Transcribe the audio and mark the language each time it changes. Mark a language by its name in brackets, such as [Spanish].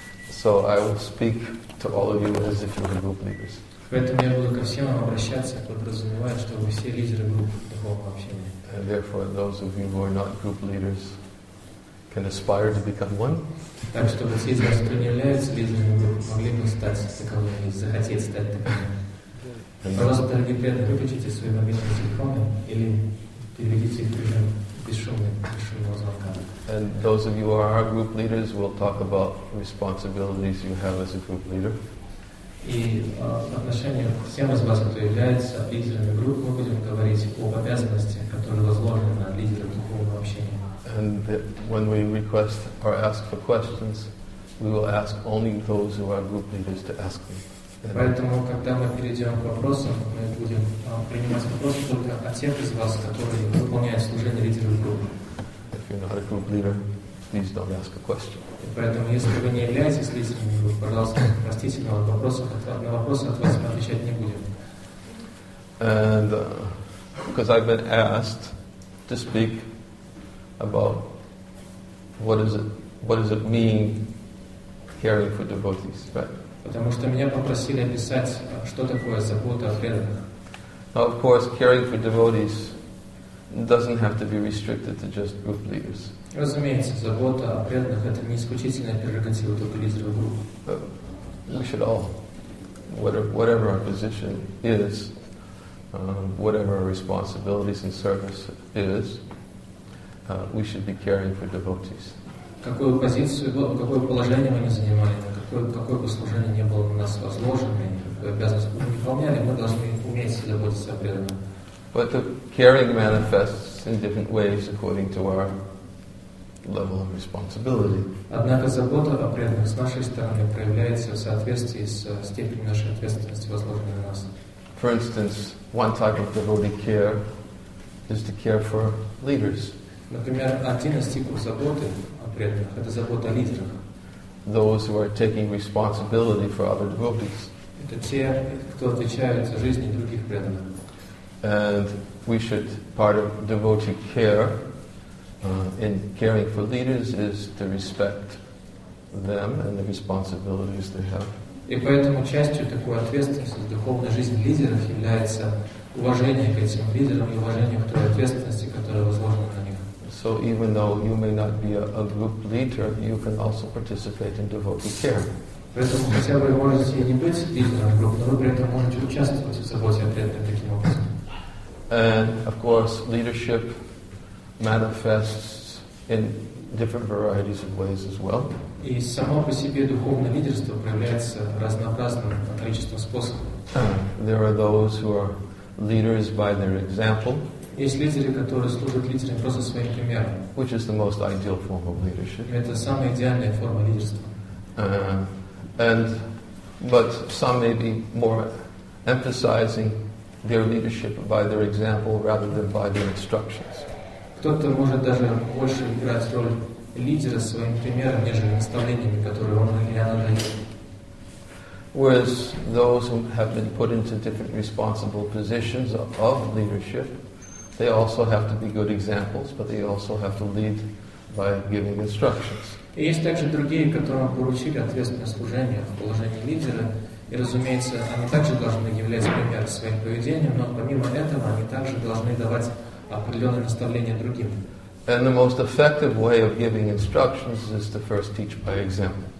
[English] So I will speak to all of you as if you were group leaders. [Russian] Поэтому я буду ко всем вам обращаться, подразумевая, что вы все лидеры группы духовного общения. [English] And therefore, those of you who are not group leaders can aspire to become one. [Russian] Так что все из вас, кто не является лидером группы, могли бы стать таковыми, захотеть стать таковыми. Пожалуйста, дорогие преданные, выключите свои мобильные телефоны или переведите их в режим бесшумного звонка. [English] And those of you who are our group leaders, we'll talk about responsibilities you have as a group leader. [Russian] И в отношении к всем из вас, кто является лидерами групп, мы будем говорить об обязанности, которые возложены на лидеров духовного общения. [English] And when we request or ask for questions, we will ask only those who are group leaders to ask them. [Russian] Поэтому, когда мы перейдем к вопросам, мы будем принимать вопросы только от тех из вас, которые выполняют служение лидеров группы. [English] If you're not a group leader, please don't ask a question. [Russian] Поэтому, если вы не являетесь лидером группы, пожалуйста, простите, но на вопросы от вас мы отвечать не будем. [English] And because I've been asked to speak about what does it mean caring for devotees, right? [Russian] Потому что меня попросили описать, что такое забота о преданных. [English] Now, of course, caring for devotees doesn't have to be restricted to just group leaders. [Russian] Разумеется, забота о преданных — это не исключительная прерогатива только лидеров групп. [English] We should all, whatever our position is, whatever our responsibilities and service is, we should be caring for devotees. [Russian] Какую позицию, какое положение мы не занимали, какое бы служение не было у нас возложено, какую обязанность мы не выполняли, мы должны уметь заботиться о преданных. [English] But the caring manifests in different ways according to our level of responsibility. [Russian] Однако забота о преданных с нашей стороны проявляется в соответствии с степенью нашей ответственности, возложенной на нас. [English] For instance, one type of devotee care is to care for leaders. [Russian] Например, один из типов заботы о преданных — это забота о лидерах. [English] Those who are taking responsibility for other devotees. [Russian] Это те, кто отвечает за жизни других преданных. [English] And we should, part of devotee care in caring for leaders is to respect them and the responsibilities they have. [Russian] И поэтому частью такой ответственности в духовной жизни лидеров является уважение к этим лидерам и уважение к той ответственности, которая возложена на них. [English] So even though you may not be a group leader, you can also participate in devotee care. [Russian] Поэтому хотя вы можете не быть лидером группы, но вы при этом можете участвовать в заботе о преданных таким образом. [English] And of course, leadership manifests in different varieties of ways as well. [Russian] И само по себе духовное лидерство проявляется разнообразным количеством способов. [English] There are those who are leaders by their example. [Russian] Есть лидеры, которые служат лидерами просто своим примером. [English] Which is the most ideal form of leadership. [Russian] Это самая идеальная форма лидерства. [English] But some may be more emphasizing their leadership by their example rather than by their instructions. [Russian] Кто-то может даже больше играть роль лидера своим примером, нежели наставлениями, которые он или она дает. [English] Whereas those who have been put into different responsible positions of leadership, they also have to be good examples, but they also have to lead by giving instructions. [Russian] И есть также другие, которым поручили ответственное служение в положении лидера, и, разумеется, они также должны являть пример своим поведением, но помимо этого они также должны давать определенные наставления другим. [English] And the most effective way of giving instructions is to first teach by example.